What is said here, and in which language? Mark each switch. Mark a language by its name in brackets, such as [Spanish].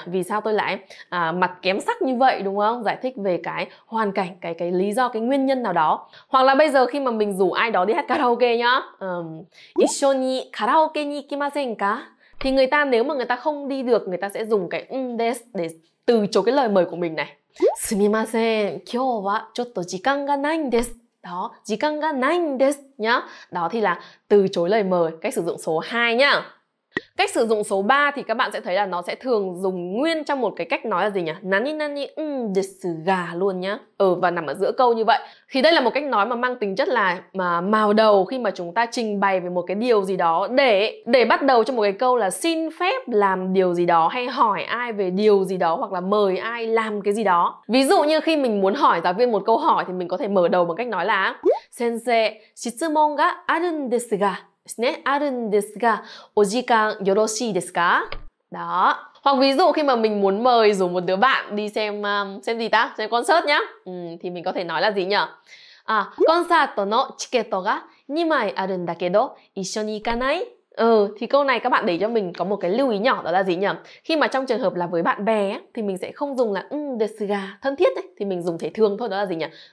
[Vietnamese] Vì sao tôi lại mặt kém sắc như vậy đúng không? Giải thích về cái hoàn cảnh, cái lý do, cái nguyên nhân nào đó. Hoặc là bây giờ khi mà mình rủ ai đó đi hát karaoke nhá. [Japanese] Issho ni karaoke ni ikimasen ka? [Vietnamese] Thì người ta nếu mà người ta không đi được, người ta sẽ dùng cái undes để từ chối cái lời mời của mình này. [Japanese] Sumimasen, kyou wa chotto jikan ga nai desu. [Vietnamese] Đó, [Japanese] 時間がないんです, [Vietnamese] nhá. Đó thì là từ chối lời mời, cách sử dụng số 2 nhá. Cách sử dụng số 3 thì các bạn sẽ thấy là nó sẽ thường dùng nguyên trong một cái cách nói là gì nhỉ? [Japanese] Nani nani undesu ga [Vietnamese] luôn nhá. Và nằm ở giữa câu như vậy. Thì đây là một cách nói mà mang tính chất là mà mào đầu khi mà chúng ta trình bày về một cái điều gì đó để bắt đầu cho một cái câu là xin phép làm điều gì đó hay hỏi ai về điều gì đó hoặc là mời ai làm cái gì đó. Ví dụ như khi mình muốn hỏi giáo viên một câu hỏi thì mình có thể mở đầu bằng cách nói là [Japanese] Sensei, 質問があるんですが. Ne, arun desu ga, ojikan yoroshii desu ka? [Vietnamese] Đó. Hoặc ví dụ khi mà mình muốn mời rủ một đứa bạn đi xem gì ta? Xem concert nhá. Thì mình có thể nói là gì nhỉ? [Japanese] Concert no chiketo ga 2枚 arun dakedo, issho ni ikanai? [Vietnamese] Thì câu này các bạn để cho mình có một cái lưu ý nhỏ, đó là gì nhỉ? Khi mà trong trường hợp là với bạn bè thì mình sẽ không dùng là desu ga thân thiết ấy, thì mình dùng thể thường thôi, đó là gì nhỉ?